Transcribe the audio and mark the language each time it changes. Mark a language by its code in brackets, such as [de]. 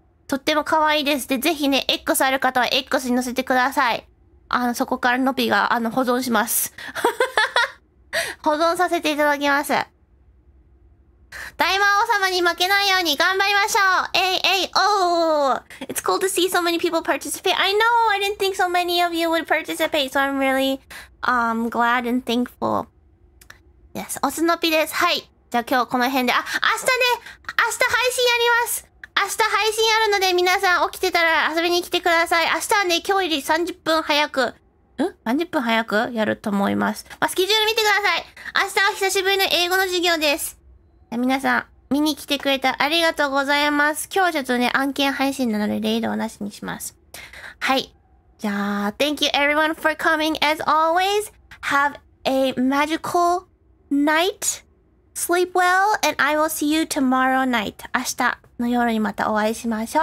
[ja] とっても可愛いです。で、ぜひね、X ある方は X に載せてください。そこからのぴが、保存します。保存させていただきます。大魔王様に負けないように頑張りましょう。 [en] It's cool to see so many people participate. I know, I didn't think so many of you would participate, so I'm really, glad and thankful. [ja] Yes, おすのぴです。はい。じゃあ今日この辺で、明日ね、明日配信やります。明日配信あるので、皆さん起きてたら遊びに来てください。明日はね、今日より30分早く、30分早くやると思います。まあ、スケジュール見てください。明日は久しぶりの英語の授業です。皆さん、見に来てくれてありがとうございます。今日はちょっとね、案件配信なので、レイドはなしにします。はい。 [en] じゃあ、Thank you everyone for coming as always. Have a magical night. Sleep well, and I will see you tomorrow night. [ja] 明日の夜にまたお会いしましょう。